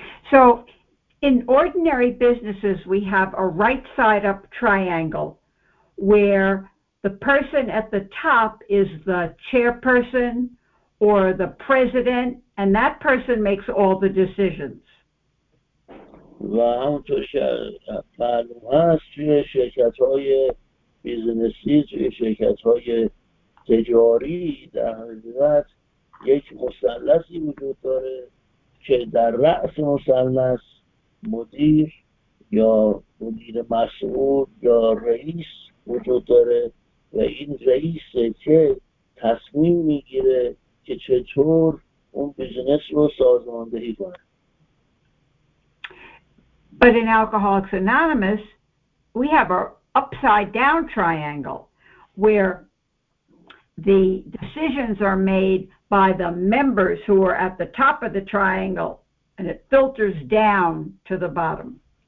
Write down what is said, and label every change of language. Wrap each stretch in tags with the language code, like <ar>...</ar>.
<en>So in ordinary businesses we have a right side up triangle where the person at the top is the chairperson or the president and that person makes all the decisions.</en> <fa>و همونطور معلوم هست توی شرکت های بیزنسی، توی شرکت های تجاری در حقیقت یک مثلثی وجود داره که در رأس مثلث مدیر یا مدیر مسئول یا رئیس وجود داره و این رئیسه که تصمیم میگیره که چطور اون بیزنس رو سازماندهی کنه.</fa> <en>But in Alcoholics Anonymous, we have an upside down triangle where the decisions are made by the members who are at the top of the triangle and it filters down to the bottom.</en>